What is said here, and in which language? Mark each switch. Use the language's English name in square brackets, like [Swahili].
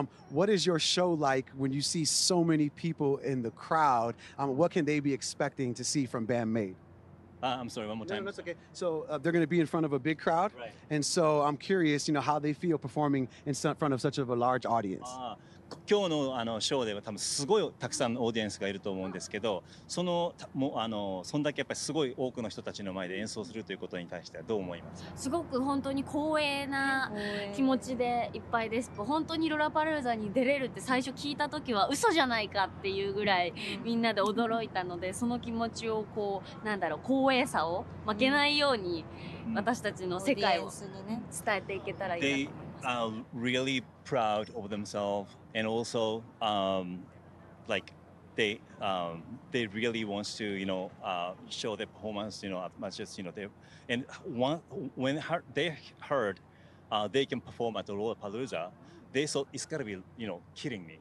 [English] What is your show like when you see so many people in the crowd? What can they be expecting to see from Band Maid? I'm sorry, one more time. No, that's okay. So they're going to be in front of a big crowd. Right. And so I'm curious, you know, how they feel performing in front of such of a large audience. [Japanese] 今日 のショーでは多分すごいたくさんのオーディエンスがいると思うんですけど、そのもあのそんだけやっぱりすごい多くの人たちの前で演奏するということに対してはどう思いますか？すごく本当に光栄な気持ちでいっぱいです。本当にロラパルーザに出れるって最初聞いた時は嘘じゃないかっていうぐらいみんなで驚いたので、その気持ちをこうなんだろう光栄さを負けないように私たちの世界を伝えていけたらいいなと思います。 [English] They are really proud of themselvesAnd also, like they really want to, you know, show their performance, you know, as much as you know. When they heard they can perform at the Lollapalooza, they thought it's gotta be, you know, kidding me.